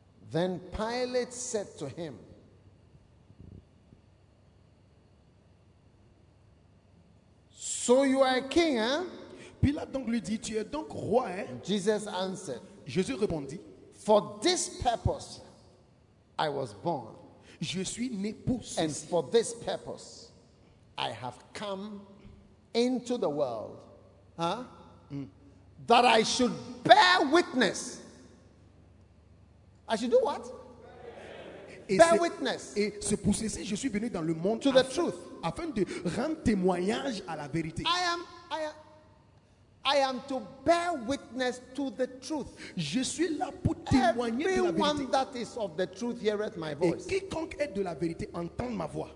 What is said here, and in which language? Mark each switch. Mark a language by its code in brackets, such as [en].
[en] Then Pilate said to him, so you are a king, hein? [fr] Pilate donc lui dit, tu es donc roi, hein? [en] Jesus answered, [fr] Jésus répondit, [en] for this purpose I was born. [fr] Je suis né pour ceci. [en] And for this purpose I have come into the world. Huh? Mm. That I should bear witness. I should do what? Bear witness. [fr] Et c'est pour ceci je suis venu dans le monde [en] to the truth. [fr] Afin de rendre témoignage à la vérité. [en] I am to bear witness to the truth. [fr] Je suis là pour témoigner [en] everyone [fr] de la vérité. [en] That is of the truth heareth my voice. [fr] Et quiconque est de la vérité entend ma voix.